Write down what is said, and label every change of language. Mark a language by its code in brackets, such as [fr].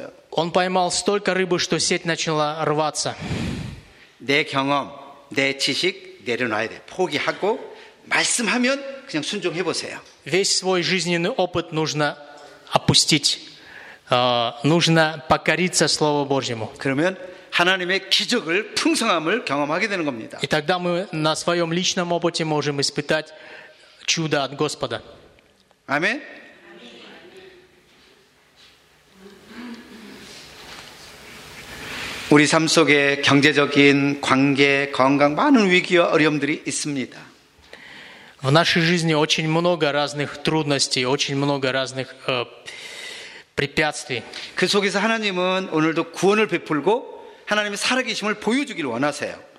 [ru] Он поймал столько рыбы, что сеть начала рваться. [ko] 내 경험, 내 지식 내려놔야 돼. 포기하고 말씀하면 그냥 순종해 보세요. [ru] Весь свой жизненный опыт нужно опустить. Нужно покориться Слову Божьему. [ko] 그러면 하나님의 기적을 풍성함을 경험하게 되는 겁니다. [ru] И тогда мы на своем личном опыте можем испытать чудо от Господа. [ko] 아멘. 우리 삶 속에 경제적인, 관계, 건강 많은 위기와 어려움들이 있습니다. [ru] В нашей жизни очень много разных трудностей, очень много разных препятствий. [ko] 그 속에서 하나님은 오늘도 구원을 베풀고 하나님의 살아계심을 보여주기를 원하세요.